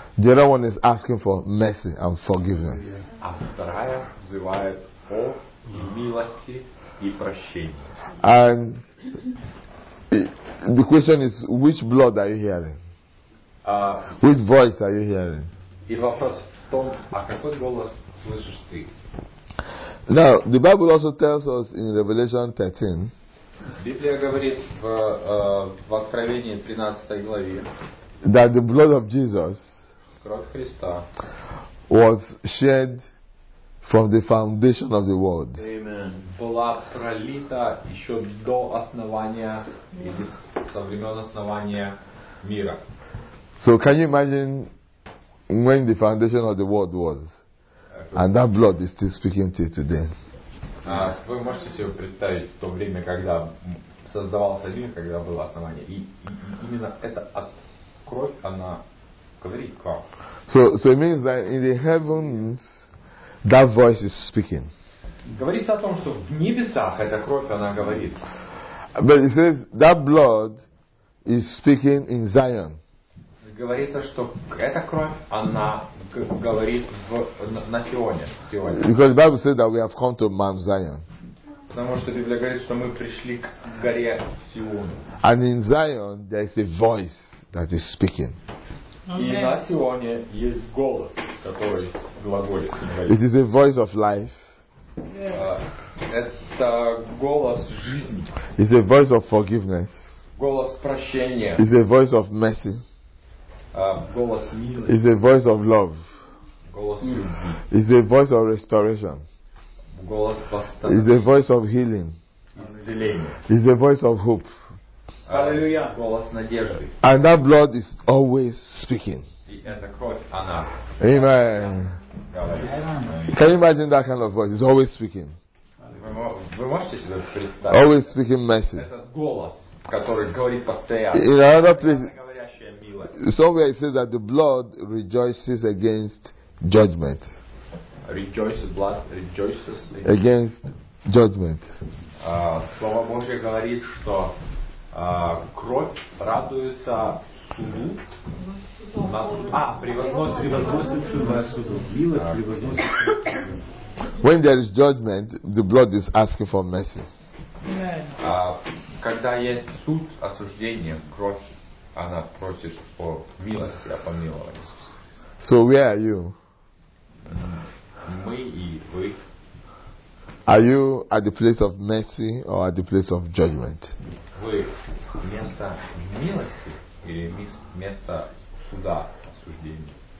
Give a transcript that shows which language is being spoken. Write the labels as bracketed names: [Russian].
[English] The other one is asking for mercy and forgiveness. [Russian] А вторая взывает о милости и прощении. [English] And the question is, which blood are you hearing? Which voice are you hearing? [Russian] И вопрос в том, а какой голос слышишь ты? [English] Now, the Bible also tells us in Revelation 13. [Russian] Библия говорит в Откровении 13 главе, [English] that the blood of Jesus, [Russian] кровь Христа, [English] was shed from the foundation of the world. Amen. [Russian] Была пролита еще до основания или со времен основания мира. [English] So can you imagine when the foundation of the world was, and that blood is still speaking to you today? [Russian] Вы можете себе представить то время, когда создавался мир, когда было основание, и именно эта кровь, она говорит к вам. [English] So it means that in the heavens that voice is speaking. [Russian] Говорится о том, что в небесах эта кровь, она говорит. [English] But it says that blood is speaking in Zion. [Russian] Говорится, что эта кровь, она говорит на Сионе. [English] Because the Bible says that we have come to Mount Zion. [Russian] Потому что Библия говорит, что мы пришли к горе Сиону. [English] And in Zion there is a voice that is speaking. [Russian] И на Сионе есть голос, который глаголит. [English] It is a voice of life. [Russian] Это голос жизни. [English] It's a voice of forgiveness. [Russian] Голос прощения. [English] It's a voice of mercy. [Russian] Голос милости. [English] It's a voice of love. [Russian] Голос любви. [English] It's a voice of restoration. [Russian] Голос восстановления. [English] It's a voice of healing. [Russian] Исцеление. [English] It's a voice of hope. [Russian] Аллилуйя. Голос надежды. [English] And that blood is always speaking. [Russian] И эта кровь, она. [English] Amen. Can you imagine that kind of voice? It's always speaking. [Russian] Вы можете себе представить? [English] Always speaking mercy. [Russian] Этот голос, который говорит постоянно. [English] In another place. Somewhere it says that the blood rejoices against judgment. Rejoice, blood rejoices against judgment. [Russian] Слово Божье говорит, что кровь радуется с суду. [English] When there is judgment, the blood is asking for mercy. [Russian] Когда есть суд, осуждение, кровь, она просит о милости, о помиловании. [English] So where are you? [Russian] Мы и вы. [English] Are you at the place of mercy or at the place of judgment? [Russian] Вы место милости или место суда, осуждения?